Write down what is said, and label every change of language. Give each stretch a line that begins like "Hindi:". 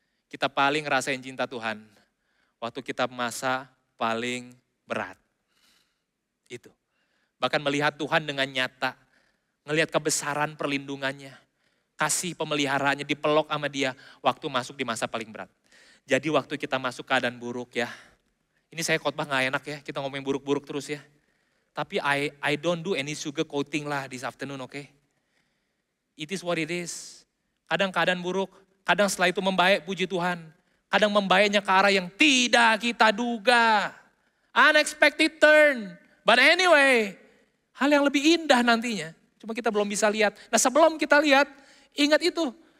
Indonesian: Kita paling ngerasain cinta Tuhan waktu kita masa paling berat. Itu. Bahkan melihat Tuhan dengan nyata. Ngelihat kebesaran perlindungannya. Kasih pemeliharaannya dipeluk sama dia waktu masuk di masa paling berat. Jadi waktu kita masuk keadaan buruk ya. Ini saya khotbah gak enak ya. Kita ngomongin buruk-buruk terus ya.
English: Tapi I don't do any sugarcoating lah this afternoon, okay? It is what it is.
Indonesian: Kadang keadaan buruk. Kadang setelah itu membaik, puji Tuhan. Kadang membaiknya ke arah yang tidak kita duga.
English: Unexpected turn. But anyway,
Indonesian: hal yang lebih indah nantinya. Cuma kita belum bisa lihat. Nah sebelum kita lihat, ingat itu.